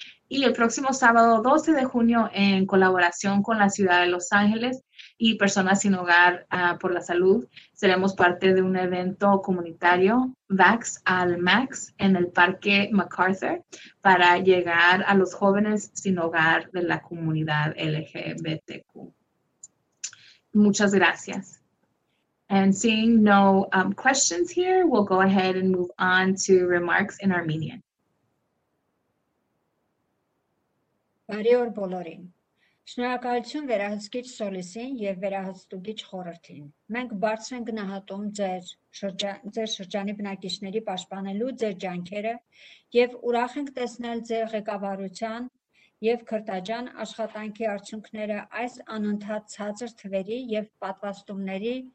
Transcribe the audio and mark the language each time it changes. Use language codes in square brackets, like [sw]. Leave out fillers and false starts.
[es] Y el próximo sábado 12 de junio, en colaboración con la ciudad de Los Ángeles y Personas Sin Hogar por la Salud, seremos parte de un evento comunitario Vax al Max en el Parque MacArthur para llegar a los jóvenes sin hogar de la comunidad LGBTQ. Muchas gracias. [en] And seeing no questions here, we'll go ahead and move on to remarks in Armenian. [hy] Բարեօր բոլորին։ Շնորհակալություն վերահսկիչ Սոլիսին եւ վերահսկիչ Խորրտին։ Մենք բարձր ենք գնահատում ձեր շրջանի բնակիչների պաշտպանելու ձեր ջանքերը եւ ուրախ ենք տեսնել ձեր ղեկավարության և քրտաջան աշխատանքի արդյունքները այս անընդհատ ցածր թվերի և պատվաստումների